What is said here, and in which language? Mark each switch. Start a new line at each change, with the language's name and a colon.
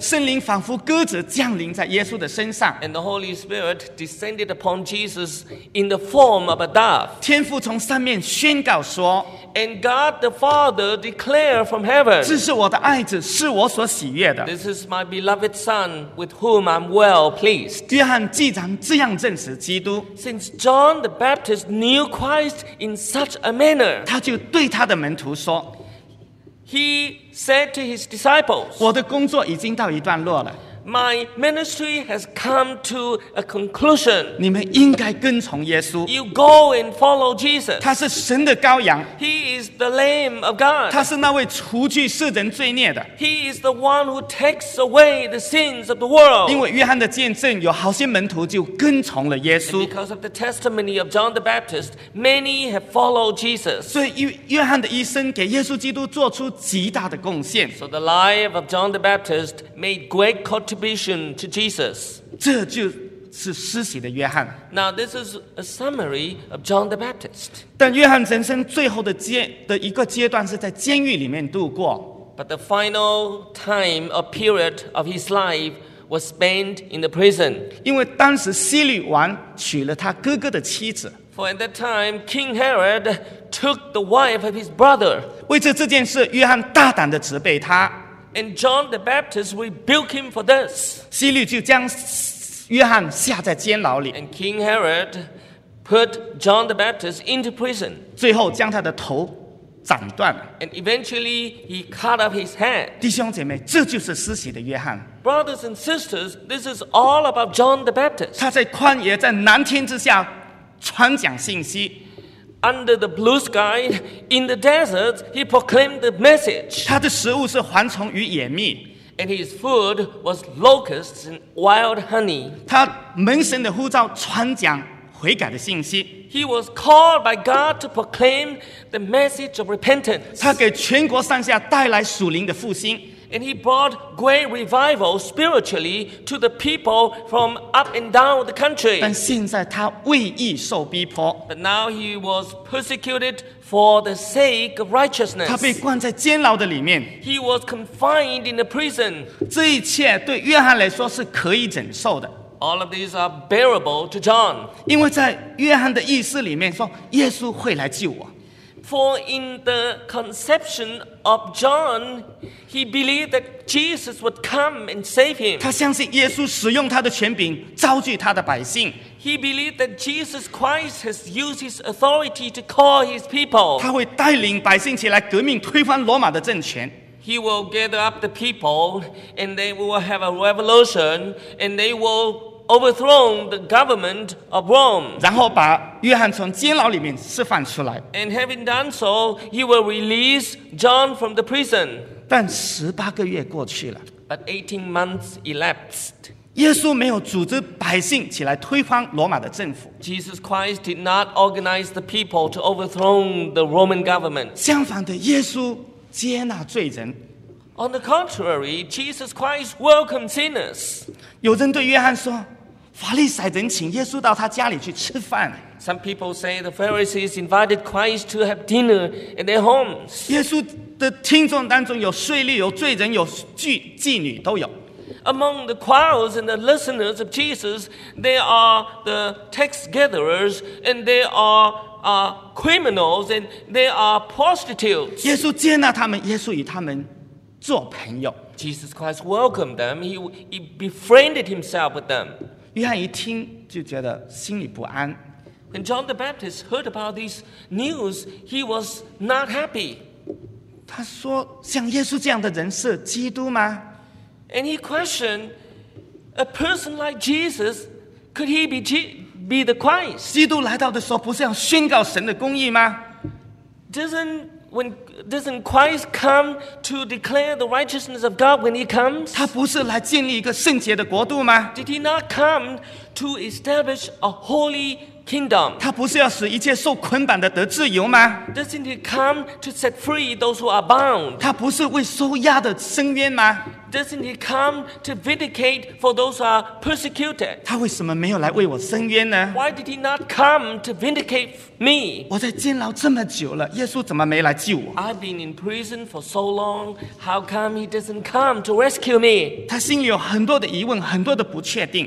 Chinese: 圣灵仿佛鸽子降临在耶稣的身上。
English: And the Holy Spirit descended upon Jesus in the form of a dove.
Chinese: 天父从上面宣告说，
English: And God the Father declared from heaven,
Chinese: 这是我的爱子，是我所喜悦的。
English: This is my beloved Son with whom I'm well pleased.
Chinese: 约翰既然这样证实基督，
English: Since John the Baptist knew Christ in such a manner,
Chinese: 他就对他的门徒说，
English: He said to his disciples,
Chinese: 我的工作已经到一段落了。
English: My ministry has come to a conclusion.
Chinese: 你们应该跟从耶稣。
English: You go and follow Jesus.
Chinese: 他是神的羔羊。
English: He is the Lamb of God.
Chinese: 他是那位除去世人罪孽的。
English: He is the one who takes away the sins of the world.
Chinese: 因为约翰的见证，有好些门徒就跟从了耶稣。
English: And because of the testimony of John the Baptist, many have followed Jesus.
Chinese: 所以约翰的一生给耶稣基督做出极大的贡献。
English: So the life of John the Baptist made great contribution to Jesus.
Chinese: 这就是施洗的约翰。
English: Now this is a summary of John the Baptist.
Chinese: 但约翰人生最后的一个阶段是在监狱里面度过。
English: But the final time or period of his life was spent in the prison.
Chinese: 因为当时希律王娶了他哥哥的妻子。
English: For at that time, King Herod took the wife of his brother.
Chinese: 为这件事，约翰大胆地责备他。
English: And John the Baptist rebuked him for this.
Chinese: 希律就将约翰下在监牢里。
English: And King Herod put John the Baptist into prison.
Chinese: 最后将他的头斩断了。
English: And eventually he cut off his head.
Chinese: 弟兄姐妹，这就是施洗的约翰。
English: Brothers and sisters, this is all about John the Baptist.
Chinese: 他在旷野，在蓝天之下传讲信息。
English: Under the blue sky, in the desert, he proclaimed the message.
Chinese: 他的食物是蝗虫与野蜜。
English: And his food was locusts and wild honey.
Chinese: 他蒙神的呼召传讲悔改的信息。
English: He was called by God to proclaim the message of repentance.
Chinese: 他给全国上下带来属灵的复兴。
English: And he brought great revival spiritually to the people from up and down the country.
Chinese: 但现在他为义受逼迫。
English: But now he was persecuted for the sake of righteousness.
Chinese: 他被关在监牢的里面。
English: He was confined in the prison.
Chinese: 这一切对约翰来说是可以忍受的。
English: All of these are bearable to John.
Chinese: 因为在约翰的意识里面说，耶稣会来救我。
English: For in the conception of John, he believed that Jesus would come and save him.
Chinese: 他相信耶稣使用他的权柄召聚他的百姓。
English: He believed that Jesus Christ has used his authority to call his people.
Chinese: 他会带领百姓起来革命，推翻罗马的政权。
English: He will gather up the people, and they will have a revolution, and they will overthrow the government of Rome.
Chinese: 然后把约翰从监牢里面释放出来。
English: And having done so, he will release John from the prison.
Chinese: 但十八个月过去了。
English: But 18 months elapsed.
Chinese: 耶稣没有组织百姓起来推翻罗马的政府。
English: Jesus Christ did not organize the people to overthrow the Roman government.
Chinese: 相反的，耶稣接纳罪人。
English: On the contrary, Jesus Christ welcomed sinners.
Chinese: 有人对约翰说，法利赛人请耶稣到他家里去吃饭。
English: Some people say the Pharisees invited Christ to have dinner in their homes.
Chinese: 耶稣的听众当中有税吏，有罪人，有妓女，都有。
English: Among the crowds and the listeners of Jesus, there are the tax gatherers and there are criminals and there are prostitutes.
Chinese: 耶稣接纳他们，耶稣与他们做朋友。
English: Jesus Christ welcomed them. He befriended himself with them.
Chinese: 约翰一听就觉得心里不安。
English: When John the Baptist heard about this news, he was not happy.
Chinese: 他说：“像耶稣这样的人是基督吗？”
English: And he questioned, "A person like Jesus, could he be the Christ?"
Chinese: 基督来到的时候，不是要宣告神的公义吗？
English: Doesn't Christ come to declare the righteousness of God when he comes?
Chinese: 他不是来建立一个圣洁的国度吗？
English: Did he not come to establish a holy kingdom?
Chinese: 他不是要使一切受捆绑的得自由吗？
English: Doesn't he come to set free those who are bound?
Chinese: 他不是为受压的伸冤吗？
English: Doesn't he come to vindicate for those who are persecuted?
Chinese: 他为什么没有来为我伸冤呢？
English: Why did he not come to vindicate me?
Chinese: 我在监牢这么久了，耶稣怎么没来救我？
English: I've been in prison for so long, how come he doesn't come to rescue me?
Chinese: 他心里有很多的疑问，很多的不确定。